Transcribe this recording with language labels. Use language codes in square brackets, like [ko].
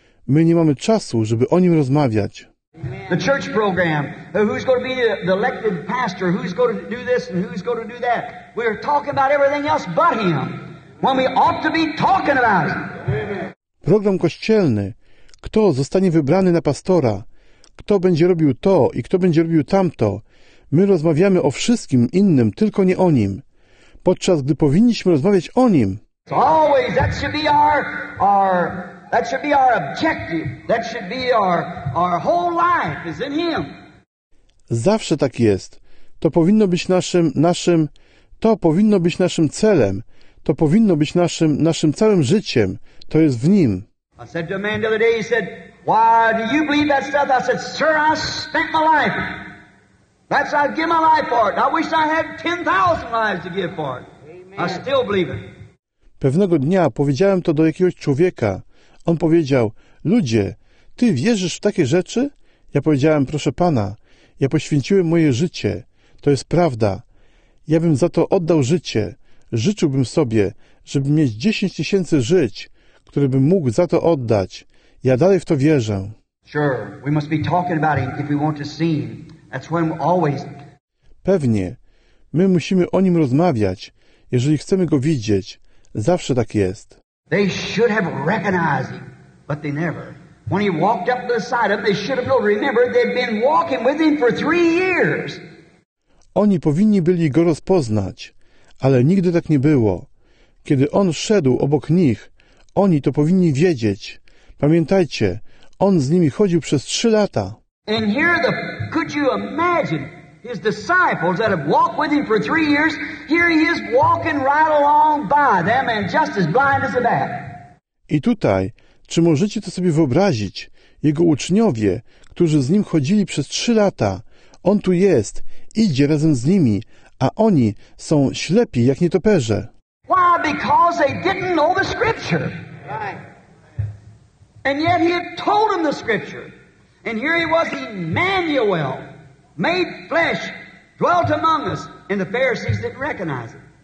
[pl] My nie mamy czasu, żeby o nim rozmawiać. [en] The church program, who's going to be the elected pastor, who's going to do this and who's going to do that. We're talking about everything else but him, when we ought to be talking about him. [pl] Program kościelny, kto zostanie wybrany na pastora, kto będzie robił to i kto będzie robił tamto. My rozmawiamy o wszystkim innym, tylko nie o nim, podczas gdy powinniśmy rozmawiać o nim. [en] So always, that should be our... That should be our objective. That should be our whole life is in him. [pl] Zawsze tak jest. To powinno być naszym to powinno być naszym celem. To powinno być naszym całym życiem. To jest w nim. [en] I said to a man the other day, he said, why do you believe that stuff? I said, sir, I spent my life. That's I give my life for it. I wish I had 10,000 lives to give for it. Amen. I still believe it. [pl] Pewnego dnia powiedziałem to do jakiegoś człowieka. On powiedział, ludzie, ty wierzysz w takie rzeczy? Ja powiedziałem, proszę pana, ja poświęciłem moje życie. To jest prawda. Ja bym za to oddał życie. Życzyłbym sobie, żeby mieć 10,000 żyć, które bym mógł za to oddać. Ja dalej w to wierzę. [en] Sure, we must be talking about him if we want to see him. That's when we always... [pl] Pewnie. My musimy o nim rozmawiać, jeżeli chcemy go widzieć. Zawsze tak jest. [en] They should have recognized him, but they never. When he walked up to the side of them, they should have known. Remember, they'd been walking with him for 3 years. [pl] Oni powinni byli go rozpoznać, ale nigdy tak nie było. Kiedy on szedł obok nich, oni to powinni wiedzieć. Pamiętajcie, on z nimi chodził przez 3 lata. [en] And here the, could you imagine his disciples that have walked with him for 3 years, here he is walking right along by them and just as blind as a bat. [pl] I tutaj, czy możecie to sobie wyobrazić, jego uczniowie, którzy z nim chodzili przez 3 lata, on tu jest, idzie razem z nimi, a oni są ślepi jak nietoperze. [en] Why? Because they didn't know the scripture. And yet he had told them the scripture. And here he was, Emmanuel, made flesh, dwelt among us, and the Pharisees didn't recognize it.